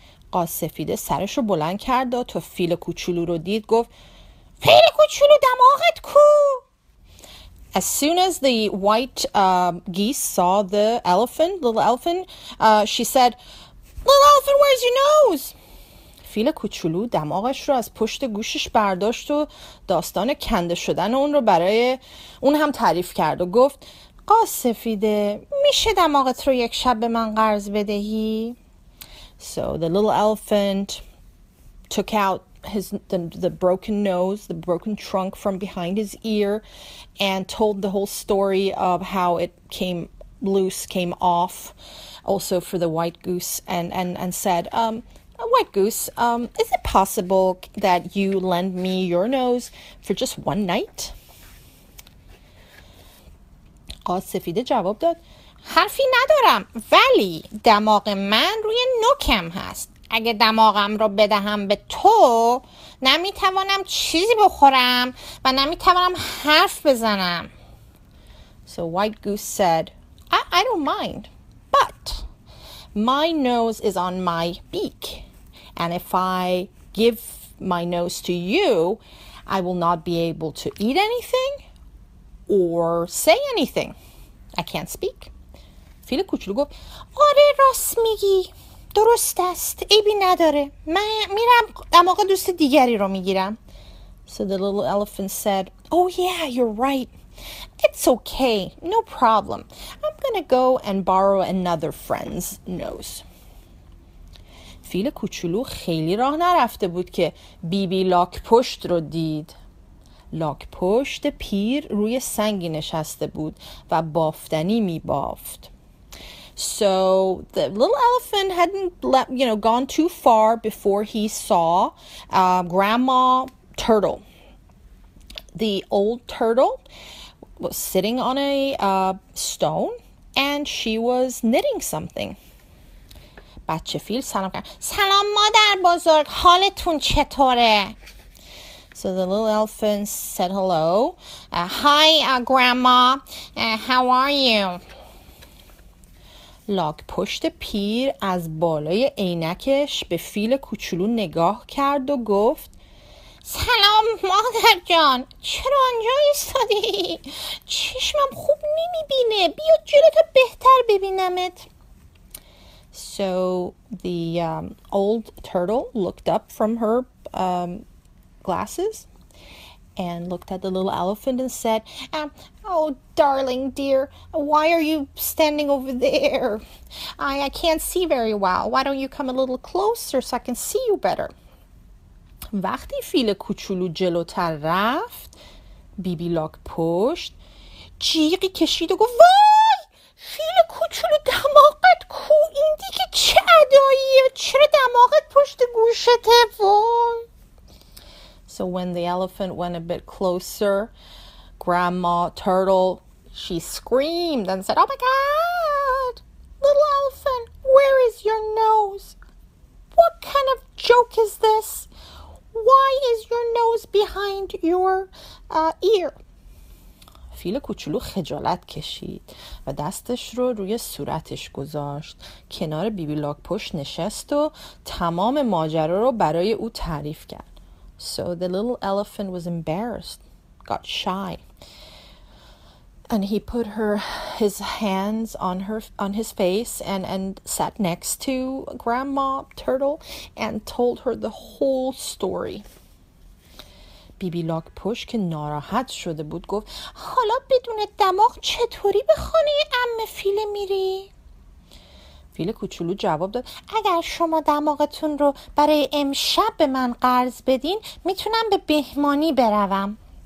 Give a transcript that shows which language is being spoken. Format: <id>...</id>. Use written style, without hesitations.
<fa>قاز سفیده سرش رو بلند کرد و تو فیل کوچولو رو دید گفت فیل کوچولو دماغت کو.</fa> <en>As soon as the white geese saw the elephant, little elephant, she said, little elephant, where's your nose?</en> <fa>فیل کوچولو دماغش رو از پشت گوشش برداشت و داستان کنده شدن اون رو برای اون هم تعریف کرد و گفت قاز سفیده میشه دماغت رو یک شب به من قرض بدهی؟</fa> <en>So the little elephant took out the broken nose, the broken trunk from behind his ear, and told the whole story of how it came loose, came off, also for the white goose, and said, white goose, is it possible that you lend me your nose for just one night?</en> <fa>قاز سفیده جواب داد. حرفی ندارم، ولی دماغ من روی نوکم هست. اگه دماغم رو بدهم به تو، نمیتوانم چیزی بخورم و نمیتوانم حرف بزنم.</fa> <en>So white goose said, I don't mind, but my nose is on my beak. And if I give my nose to you, I will not be able to eat anything or say anything. I can't speak.</en> <fa>فیل کوچولو گفت آره راست میگی، درست است، عیبی نداره، من میرم دماغ دوست دیگری رو میگیرم.</fa> <en>So the little elephant said, oh yeah, you're right, it's okay, no problem, I'm gonna go and borrow another friend's nose.</en> <fa>فیل کوچولو خیلی راه نرفته بود که بیبی لاک پشت رو دید. لاک پشت پیر روی سنگی نشسته بود و بافتنی میبافت.</fa> <en>So the little elephant hadn't, you know, gone too far before he saw Grandma Turtle. The old turtle was sitting on a stone, and she was knitting something.</en> <fa>بچه فیل سلام کرد. سلام مادر بزرگ، حالتون چطوره؟</fa> <en>So the little elephant said hello. Hi, Grandma. How are you?</en> <fa>لاک پشت پیر از بالای عینکش به فیل کوچولو نگاه کرد و گفت سلام مادر جان، چرا آنجا ایستادی؟ چشمم خوب نمیبینه، بیا جلو تا بهتر ببینمت.</fa> <en>So the old turtle looked up from her glasses and looked at the little elephant and said, oh, darling dear, why are you standing over there? I can't see very well. Why don't you come a little closer so I can see you better?</en> <fa>وقتی فیل کوچولو جلوتر رفت، بیبی لاک پشت جیغی کشید و گفت وای! فیل کوچولو دماغت کو، این دیگه چه اداییه؟ چرا دماغت پشت گوشته؟ وای!</fa> <en>So when the elephant went a bit closer, Grandma Turtle, she screamed and said, oh my God, little elephant, where is your nose? What kind of joke is this? Why is your nose behind your ear?</en> <fa>فیل کوچولو خجالت کشید و دستش رو روی صورتش گذاشت. کنار بیبی لاک پشت نشست و تمام ماجرا رو برای او تعریف کرد.</fa> <en>So the little elephant was embarrassed. got shy. And he put his hands on his face and sat next to Grandma Turtle and told her the whole story.</en> <fa>بیبی لاک پشت که ناراحت شده بود گفت حالا بدون دماغ چطوری به خانه عمه فیل میری؟ فیل کوچولو جواب داد اگر شما دماغتون رو برای امشب به من قرض بدین میتونم به مهمانی بروم.</fa>